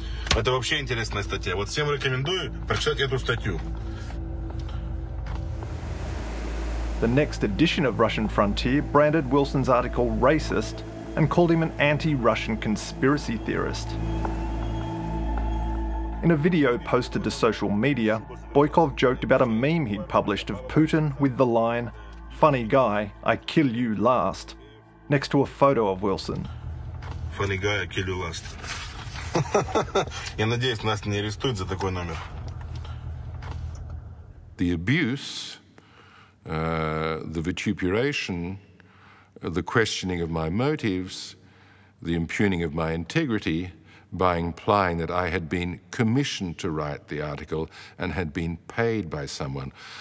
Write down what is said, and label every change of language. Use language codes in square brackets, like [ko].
[ru] Это вообще интересная статья. Вот всем рекомендую прочитать эту статью. [en] The next edition of Russian Frontier branded Wilson's article racist and called him an anti-Russian conspiracy theorist. In a video posted to social media, Boykov joked about a meme he'd published of Putin with the line, "Funny guy, I kill you last," next to a photo of Wilson. Funny guy, I kill you last. [ru] Я надеюсь, нас не арестуют за такой номер. [en] The abuse, the vituperation, the questioning of my motives, the impugning of my integrity by implying that I had been commissioned to write the article and had been paid by someone.